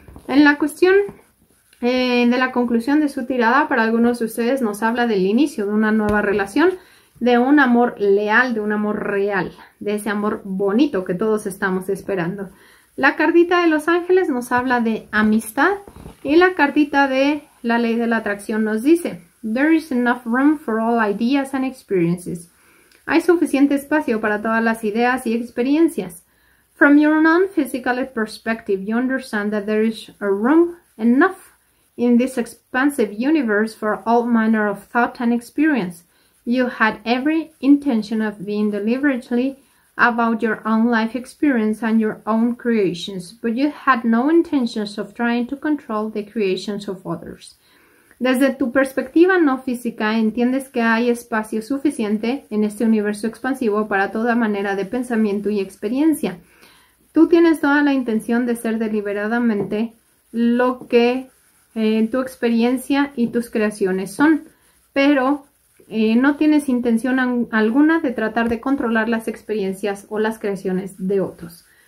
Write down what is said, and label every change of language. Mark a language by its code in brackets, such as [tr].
[es] En la cuestión de la conclusión de su tirada, para algunos de ustedes nos habla del inicio de una nueva relación, de un amor leal, de un amor real, de ese amor bonito que todos estamos esperando. La cartita de los ángeles nos habla de amistad y la cartita de la ley de la atracción nos dice: [en] "There is enough room for all ideas and experiences." [es] Hay suficiente espacio para todas las ideas y experiencias. [en] From your non-physical perspective, you understand that there is a room enough in this expansive universe for all manner of thought and experience. You had every intention of being deliberately about your own life experience and your own creations, but you had no intentions of trying to control the creations of others. [es] Desde tu perspectiva no física, entiendes que hay espacio suficiente en este universo expansivo para toda manera de pensamiento y experiencia. Tú tienes toda la intención de ser deliberadamente lo que tu experiencia y tus creaciones son, pero no tienes intención alguna de tratar de controlar las experiencias o las creaciones de otros.